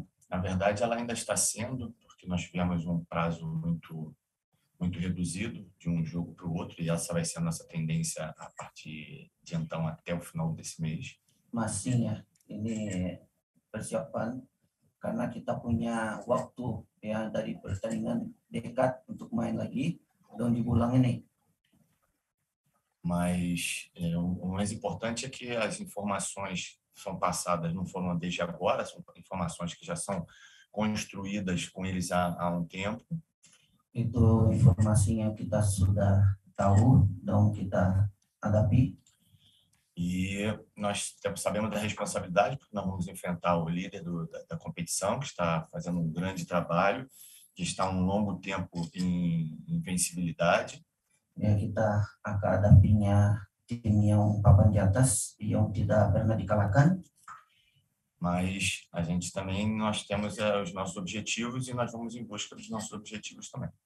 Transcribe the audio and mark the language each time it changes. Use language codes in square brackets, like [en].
[pt] Na verdade ela ainda está sendo, porque nós tivemos prazo muito reduzido de jogo para o outro e essa vai ser a nossa tendência a partir de então até o final desse mês. [id] Masinha, ini persiapan karena kita punya waktu ya dari pertandingan dekat untuk main lagi dan di bulan ini. [pt] Mas o mais importante é que as informações são passadas, não foram desde agora, são informações que já são construídas com eles há um tempo. [id] Itu informasi yang kita sudah tahu dan kita hadapi. [pt] E nós sabemos da responsabilidade, porque nós vamos enfrentar o líder da competição, que está fazendo um grande trabalho, que está um longo tempo em invencibilidade. [id] Ya, kita akan hadapinya tim yang papan di atas yang tidak pernah dikalahkan. [pt] Mas a gente também nós temos os nossos objetivos e nós vamos em busca dos nossos objetivos também.